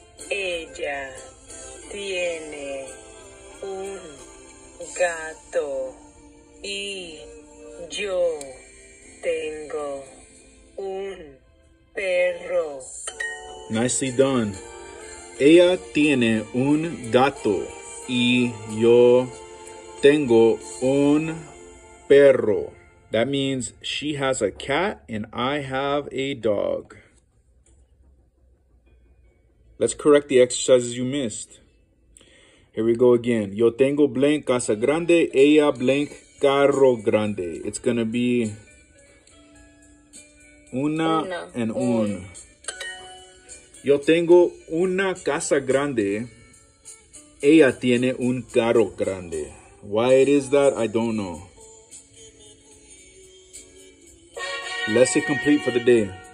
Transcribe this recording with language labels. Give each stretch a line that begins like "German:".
Spanish: Ella tiene un gato y yo tengo un perro.
English: Nicely done.
Spanish: Ella tiene un gato y yo tengo un perro.
English: That means she has a cat and I have a dog. Let's correct the exercises you missed. Here we go again.
Spanish: Yo tengo blank casa grande, ella blank carro grande.
English: It's going to be una and un.
Spanish: Yo tengo una casa grande, ella tiene un carro grande.
English: Why it is that, I don't know. Lesson complete for the day.